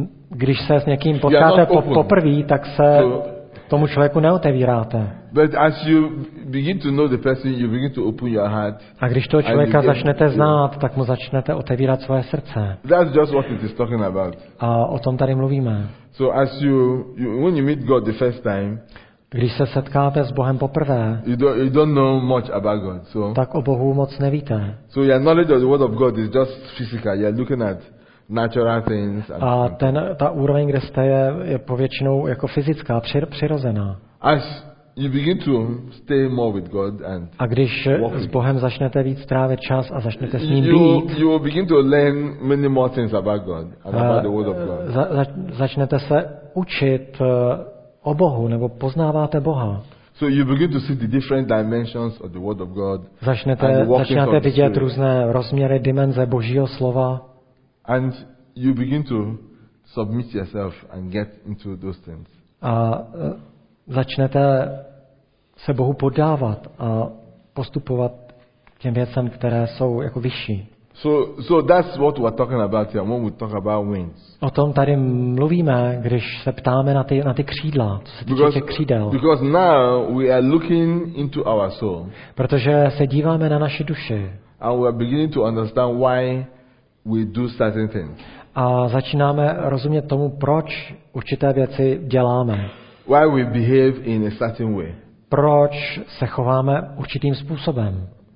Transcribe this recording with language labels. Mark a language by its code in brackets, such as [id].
[cs] Když se s někým potkáte poprvé, tak se tomu člověku neotevíráte. [en] But as you begin to know the person, you begin to open your heart. [cs] A když toho člověka začnete znát, tak mu začnete otevírat svoje srdce. [en] That's just what it is talking about. [cs] A o tom tady mluvíme. [en] So as you when you meet God the first time. [cs] Když se setkáte s Bohem poprvé, [en] you don't know much about God, so, [cs] tak o Bohu moc nevíte. [en] So your knowledge of the word of God is just physical. You're looking at natural things. [cs] Ta úroveň, kde jste, je povětšinou jako fyzická, přirozená. [en] As you begin to stay more with God and [cs] a když s Bohem začnete víc trávit čas a začnete s ním být, [en] you begin to learn many more things about God and about the word of God. [cs] Začnete se učit o Bohu, nebo poznáváte Boha. [en] So you begin to see the different dimensions of the word of God. [cs] Začnete vidět různé rozměry, dimenze Božího slova. [en] And you begin to submit yourself and get into those things. [cs] A začnete se Bohu poddávat a postupovat těm věcem, které jsou jako vyšší. [en] So that's what we're talking about here when we talk about wings. [cs] O tom tady mluvíme, když se ptáme na ty křídla, co se týče těch křídel. [en] Because now we are looking into our soul. [cs] Protože se díváme na naši duši. [en] And we are beginning to understand why we do certain things. [cs] A začínáme rozumět tomu, proč určité věci děláme. [en] Why we behave in a certain way. [cs] Proč se chováme určitým způsobem.